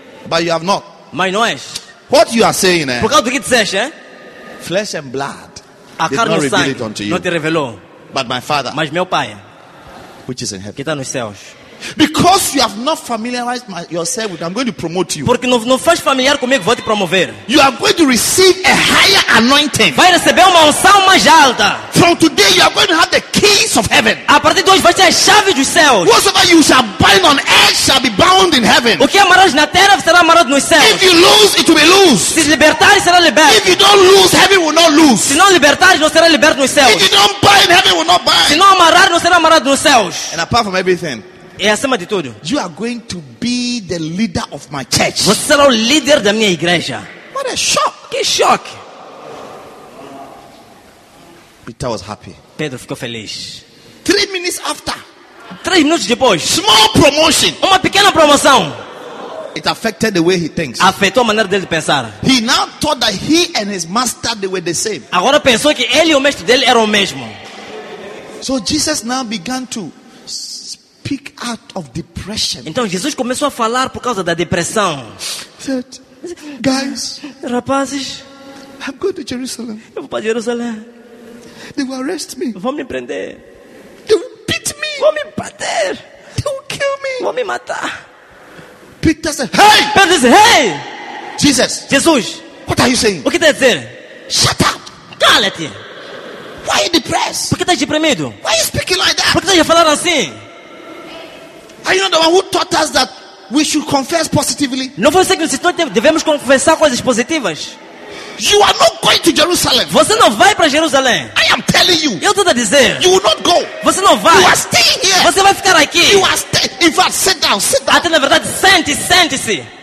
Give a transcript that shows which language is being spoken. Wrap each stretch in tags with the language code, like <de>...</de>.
<en>But you have not.</en> <pt>Mas não és.</pt> <en>What you are saying,</en> <pt>por causa do que disseste,</pt> <en>flesh and blood,</en> <pt>a carne e sangue,</pt> <en>it unto you,</en> <pt>não te revelou.</pt> <en>But my father,</en> <pt>mas meu pai,</pt> <en>which is in heaven,</en> <pt>que está nos céus.</pt> <en>Because you have not familiarized yourself with, I'm going to promote you.</en> <pt>Porque não faz familiar comigo, vou te promover.</pt> <en>You are going to receive a higher anointing.</en> <pt>Vai receber uma unção mais alta.</pt> <en>From today you are going to have the keys of heaven.</en> <pt>A partir de hoje vai ter as chaves dos céus.</pt> <en>Whatever you shall bind on earth shall be bound in heaven.</en> <pt>O que amarras na terra será amarrado nos céus.</pt> <en>If you lose, it will be loosed.</en> <pt>Se libertares será liberto.</pt> <en>If you don't lose, heaven will not lose.</en> <pt>Se não libertares não será liberto nos céus.</pt> <en>If you don't bind, heaven will not bind.</en> <pt>Se não amarrar não será amarrado nos céus.</pt> <en>And apart from everything.</en> <pt>É acima de tudo.</pt> <en>You are going to be the leader of my church.</en> <pt>Você será o líder da minha igreja.</pt> <en>What a shock!</en> <pt>Que choque!</pt> <en>Peter was happy.</en> <pt>Pedro ficou feliz.</pt> <en>3 minutes after.</en> <pt>3 minutos depois.</pt> <en>Small promotion.</en> <pt>Uma pequena promoção.</pt> <en>It affected the way he thinks.</en> <pt>Afetou a maneira dele pensar.</pt> <en>He now thought that he and his master they were the same.</en> <pt>Agora pensou que ele e o mestre dele eram o mesmo.</pt> <en>So Jesus now began to. Speak out of depression.</en> <pt>Então Jesus começou a falar por causa da depressão.</pt> <en>Said, guys,</en> <pt>rapazes,</pt> <en>I'm going to Jerusalem.</en> <pt>Eu vou para Jerusalém.</pt> <en>They will arrest me.</en> <pt>Vão me prender.</pt> <en>They will beat me.</en> <pt>Vão me bater.</pt> <en>They will kill me.</en> <pt>Vão me matar.</pt> <en>Peter said, hey!</en> <pt>Pedro disse, hey!</pt> <en>Jesus! What are you saying?</en> <pt>O que está a dizer?</pt> <en>Shut up!</en> <pt>Cala-te!</pt> <en>Why are you depressed?</en> <pt>Por que estás deprimido?</pt> <en>Why are you speaking like that?</en> <pt>Por que estás a falar assim?</pt> <en>Are you not the one who taught us that we should confess positively?</en> <pt>Não foi você que nos ensinou que devemos confessar coisas positivas?</pt> <en>You are not going to Jerusalem.</en> <pt>Você não vai para Jerusalém.</pt> <en>I am telling you.</en> <pt>Eu estou a dizer.</pt> <en>You will not go.</en> <pt>Você não vai.</pt> <en>You are staying here.</en> <pt>Você vai ficar aqui.</pt> <en>You are staying. In fact, sit down.</en> <pt>Até na verdade, sente-se.</pt>